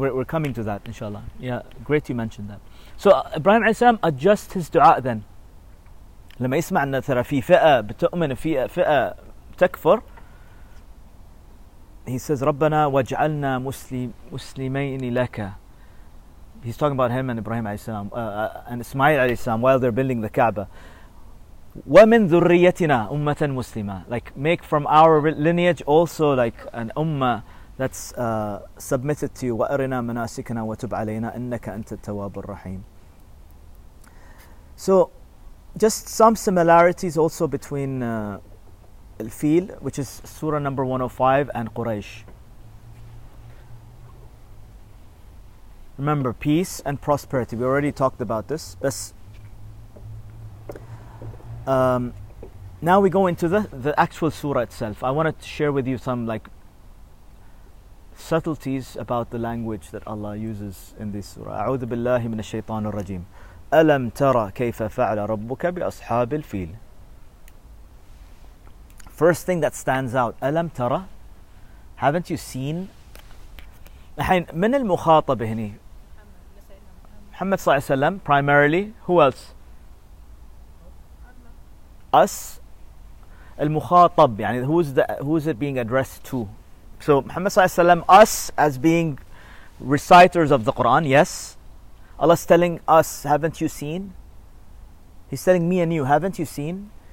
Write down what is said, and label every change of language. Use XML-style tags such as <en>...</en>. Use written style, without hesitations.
<en>Like, we're coming to that, inshallah. Yeah. Great, you mentioned that. So Ibrahim alayhi salam adjusts his du'a then.</en> <ar>لما يسمع أن ترى في فئة بتؤمن في فئة تكفر,</ar> <en>he says,</en> <ar>ربنا واجعلنا مسلمين لك.</ar> <en>He's talking about him and Ibrahim alayhi salam and Ismail alayhi salam while they're building the Kaaba.</en> <ar>وَمِن ذُرِّيَّتِنَا أُمَّةً مُسْلِمَةً.</ar> <en>Like, make from our lineage also like an ummah that's submitted to you.</en> <ar>وَأَرِنَا مَنَاسِكَنَا وَتُبْ عَلَيْنَا إِنَّكَ أَنْتَ التَّوَّابُ الرَّحِيمُ.</ar> <en>So, just some similarities also between Al-Fil, which is Surah number 105, and Quraysh. Remember, peace and prosperity. We already talked about this. بس now we go into the actual surah itself. I wanted to share with you some like subtleties about the language that Allah uses in this surah.</en> <ar>أعوذ بالله من الشيطان الرجيم. ألم ترى كيف فعل ربك بأصحاب الفيل.</ar> <en>First thing that stands out.</en> <ar>ألم ترى.</ar> <en>Haven't you seen?</en> <ar>الحين من المخاطب هنا؟ محمد صلى الله عليه وسلم.</ar> <en>Primarily. Who else? Us, المخاطب, يعني who's it being addressed to? So Muhammad sallallahu alaihi wasallam, us as being reciters of the Quran, yes. Allah's telling us, haven't you seen? He's telling me and you, haven't you seen?</en>